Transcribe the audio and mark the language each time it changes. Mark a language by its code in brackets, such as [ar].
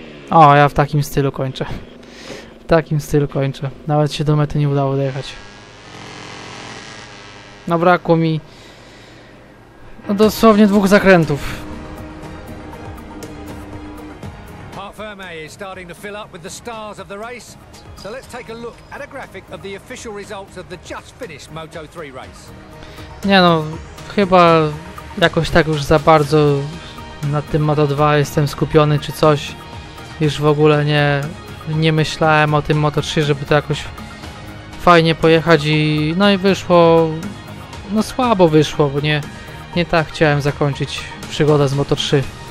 [pl] O, ja w takim stylu kończę. W takim stylu kończę. Nawet się do mety nie udało dojechać. No brakło mi no dosłownie dwóch zakrętów. [en] Part firm A is starting to fill up with the stars of the race. So let's take a look at a graphic of the official results of the just finished Moto3 race. [pl] Nie no, chyba jakoś tak już za bardzo na tym Moto2 jestem skupiony czy coś. Już w ogóle nie nie myślałem o tym Moto3, żeby to jakoś fajnie pojechać i no i wyszło, no słabo wyszło, bo nie tak chciałem zakończyć przygodę z Moto3.